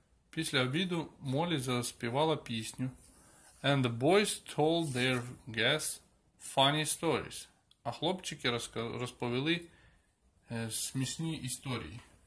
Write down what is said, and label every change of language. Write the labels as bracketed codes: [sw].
[uk] Після обіду Молі заспівала пісню. [en] And the boys told their guests funny stories. [uk] А хлопчики розповіли смішні історії.